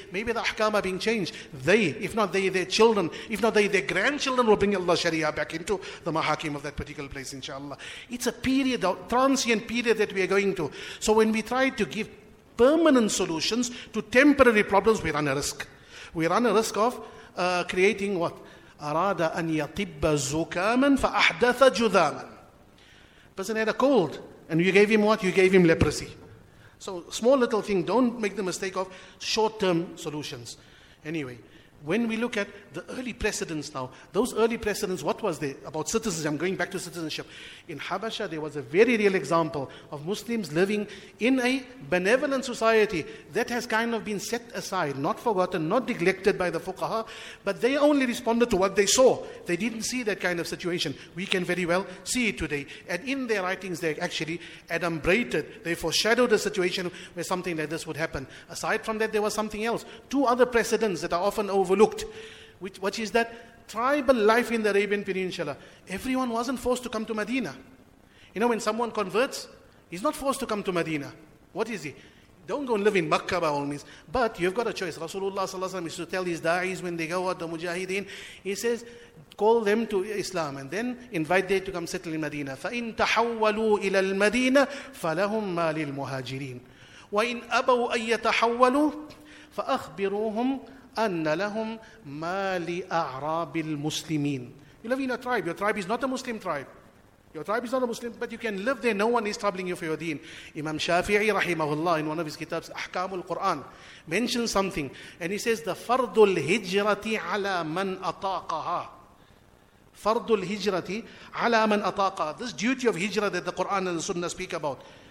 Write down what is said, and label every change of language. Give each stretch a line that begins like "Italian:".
English: Maybe the ahkam are being changed. They, if not they, their children, if not they, their grandchildren will bring Allah Sharia back into the mahakim of that particular place, inshallah. It's a period, a transient period that we are going to. So when we try to give permanent solutions to temporary problems, we run a risk. We run a risk of creating what?
Arabic: أَرَادَ أَن يَطِبَّ زُكَامًا فَأَحْدَثَ جُذَامًا.
English: Person had a cold, and you gave him what? You gave him leprosy. So, small little thing, don't make the mistake of short-term solutions. Anyway, when we look at the early precedents now, those early precedents, what was there about citizenship? I'm going back to citizenship. In Habasha, there was a very real example of Muslims living in a benevolent society that has kind of been set aside, not forgotten, not neglected by the fuqaha, but they only responded to what they saw. They didn't see that kind of situation. We can very well see it today. And in their writings, they actually adumbrated, they foreshadowed a situation where something like this would happen. Aside from that, there was something else. Two other precedents that are often overlooked, which is that tribal life in the Arabian Peninsula, everyone wasn't forced to come to Medina. You know, when someone converts, he's not forced to come to Medina. What is he? Don't go and live in Makkah by all means, but you've got a choice. Rasulullah sallallahu alaihi wasallam used to tell his da'is when they go out, the mujahideen, he says, call them to Islam and then invite them to come settle in Medina.
Arabic: فَإِن تَحَوَّلُوا إِلَى الْمَدِينَةِ فَلَهُمْ مَا لِلْمُهَاجِرِينَ وَإِن أَبَوْا أَن يَتَحَوَّلُوا فَأَخْبِرُوهُمْ أَنَّ لَهُمْ مَا لِأَعْرَابِ الْمُسْلِمِينَ.
English: You live in a tribe. Your tribe is not a Muslim tribe. Your tribe is not a Muslim, but you can live there. No one is troubling you for your deen. Imam Shafi'i rahimahullah, in one of his kitabs, Ahkamul Quran, mentions something. And he says, the fardul hijrati ala man ataqaha. Fardul hijrati ala man ataqaha. This duty of hijrah that the Quran and the Sunnah speak about.